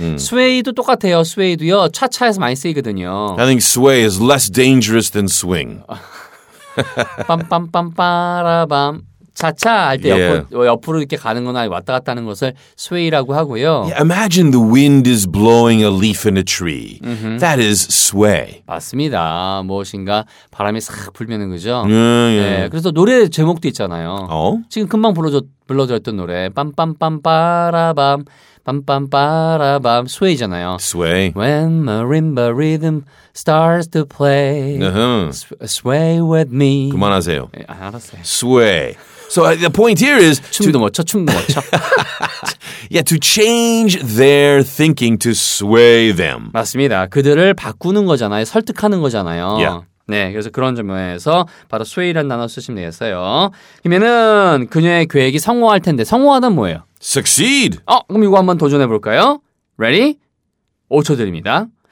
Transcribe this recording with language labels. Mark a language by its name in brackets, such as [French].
[Korean] 스웨이도 똑같아요. 스웨이도요. 차차에서 많이 쓰이거든요. [English] I think sway is less dangerous than swing. 빰빰빰빠라밤. [Korean] 차차 할 때 옆으로 이렇게 가는 거나 왔다 갔다 하는 것을 sway라고 하고요. [English] Yeah, imagine the wind is blowing a leaf in a tree. Mm-hmm. That is sway. [Korean] 맞습니다. 무엇인가 바람이 싹 불면은 그죠? [English] Yeah, yeah. [Korean] 네, 그래서 노래 제목도 있잖아요. 지금 금방 불러줬던 노래. 빰빰빰빠라밤 빰빰빠라밤 sway잖아요. [English] Sway. When marimba rhythm starts to play sway with me. [Korean] 그만하세요. 네, 알았어요. [English] Sway. So the point here is [Korean] 춤도 못 춰, 춤도 못 춰. [English] Yeah, to change their thinking, to sway them. [Korean] 맞습니다. 그들을 바꾸는 거잖아요. 설득하는 거잖아요. [English] Yeah. [Korean] 네, 그래서 그런 점에서 바로 sway라는 단어 쓰시면 되겠어요. 그러면은 그녀의 계획이 성공할 텐데 성공하다는 뭐예요? [English] Succeed. [Korean] 그럼 이거 한번 도전해 볼까요? Ready? 5초 드립니다.